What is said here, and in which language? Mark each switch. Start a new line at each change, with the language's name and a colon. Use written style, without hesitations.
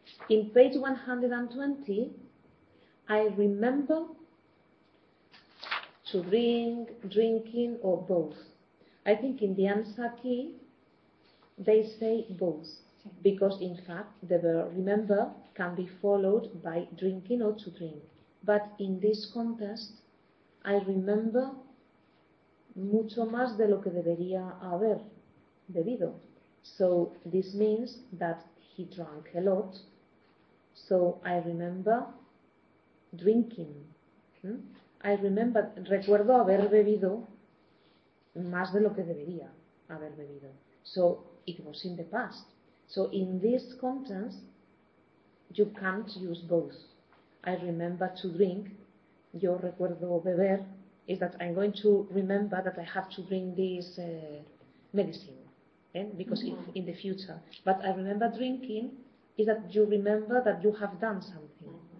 English: In page 120, I remember to bring drinking or both. I think in the answer key, they say both. Because in fact, the verb remember can be followed by drinking or to drink. But in this context, I remember
Spanish: mucho más de lo que debería haber bebido.
English: So this means that he drank a lot. So I remember drinking. I remember,
Spanish: recuerdo haber bebido más de lo que debería haber bebido.
English: So it was in the past. So in this context, you can't use both. I remember to drink.
Spanish: Yo recuerdo beber.
English: Is that I'm going to remember that I have to bring this medicine. Yeah? Because in the future. But I remember drinking. Is that you remember that you have done something.